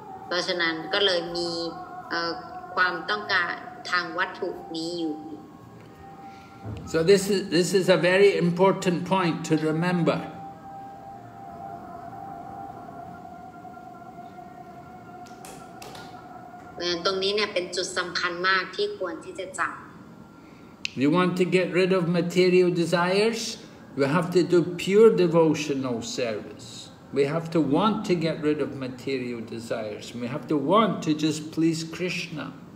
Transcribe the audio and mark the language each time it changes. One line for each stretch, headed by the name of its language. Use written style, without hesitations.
Thai: เพราะฉะนั้นก็เลยมีความต้องการทางวัตถุนี้อยู่
English: So this is a very important point to remember
Thai: ตรงนี้เนี่ยเป็นจุดสำคัญมากที่ควรที่จะจำ
English: You want to get rid of material desires you have to do pure devotional serviceWe have to want to get rid of material desires. We have to want to just please Krishna.